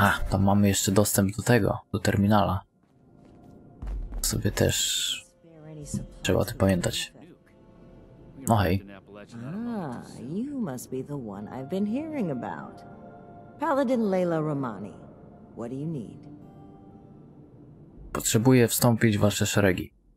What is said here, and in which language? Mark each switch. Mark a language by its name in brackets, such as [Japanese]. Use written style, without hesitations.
[Polish] A, tam mamy jeszcze dostęp do tego, do terminala. To sobie też trzeba o tym pamiętać. No hej. [English] Ah, you must be the one I've been hearing about. Paladin Layla Romani. What do you need? [Polish] Potrzebuję wstąpić w wasze szeregi.